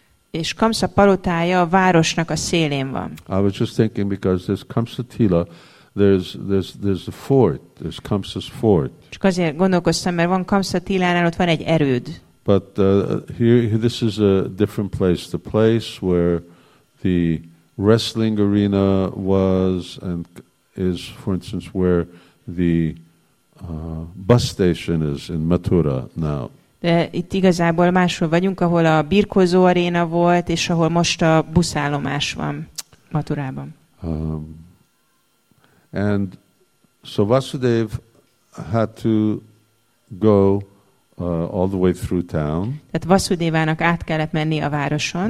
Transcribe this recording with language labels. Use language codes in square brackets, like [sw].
[hu] És Kamsa palotája a városnak a szélén van. [en] I was just thinking because there's Kamsa Tila, there's a fort, there's Kamsa's fort. [hu] Csak azért gondolkoztam, mert van Kamsa Tilánál, ott van egy erőd. [en] But here this is a different place, the place where the wrestling arena was and is, for instance, where the bus station is in Mathura now. [hu] De itt igazából máshol vagyunk, ahol a birkózó aréna volt, és ahol most a buszállomás van Maturában. [en] And so Vasudev had to go all the way through town. [hu] Tehát Vasudevának át kellett menni a városon.